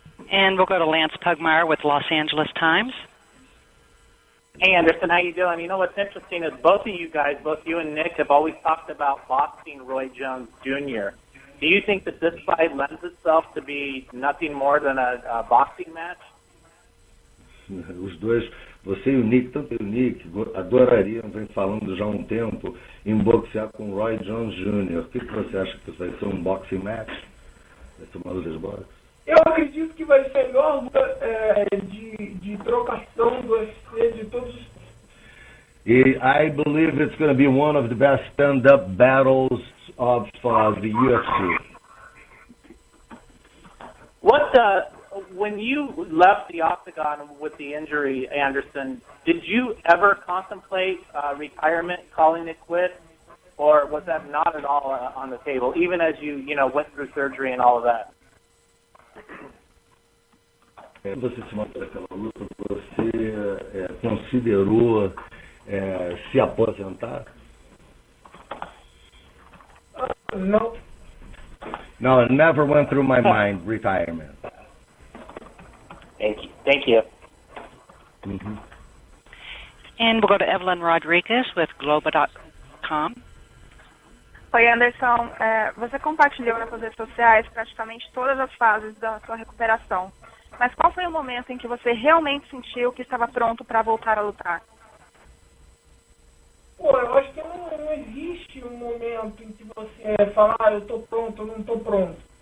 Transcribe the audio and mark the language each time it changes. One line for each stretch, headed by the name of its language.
English: And we'll go to Lance Pugmire with Los Angeles Times. Hey, Anderson, how you doing? You know, what's interesting is both of you guys, both you and Nick, have always talked about boxing Roy Jones Jr. Do you think that this fight lends itself to be nothing more than a boxing match?
Portuguese: Os dois, você e o Nick, tanto eu e o Nick, adorariam, vem falando já há um tempo, em boxear com o Roy Jones Jr. O que você acha que vai ser um
English: boxing match?
Portuguese: Vai ser uma luta de boxe? Eu acredito que vai ser a melhor luta de trocação do UFC de todos os...
English: I believe it's going to be one of the best stand-up battles of the UFC. What the... When you left the octagon with the injury, Anderson, did you ever contemplate retirement, calling it quit, or was that not at all on the table, even as you, you know, went through surgery and all of that?
Portuguese: Você se matou naquela luta, você considerou se aposentar?
English: No, it never went through my mind, retirement. Thank you. Mm-hmm. And we'll go to Evelyn Rodriguez with Globo.com.
Portuguese: Oi, Anderson. Você compartilhou nas redes sociais praticamente todas as fases da sua recuperação. Mas qual foi o momento em que você realmente sentiu que estava pronto para voltar a lutar? Pô, eu acho que não existe um momento em que você fala, ah, eu estou pronto, eu não estou pronto.